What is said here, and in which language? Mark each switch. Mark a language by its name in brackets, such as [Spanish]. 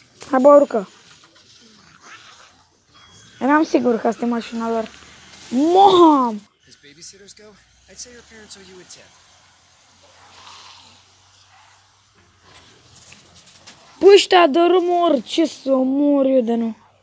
[Romanian] Hai, bă, urcă. Eram sigur că asta e mașina lor. [English] Mom! As babysitters go, I'd say your parents owe you a tip. [Romanian] Păi ăștia dărâm orice să mor eu de nu.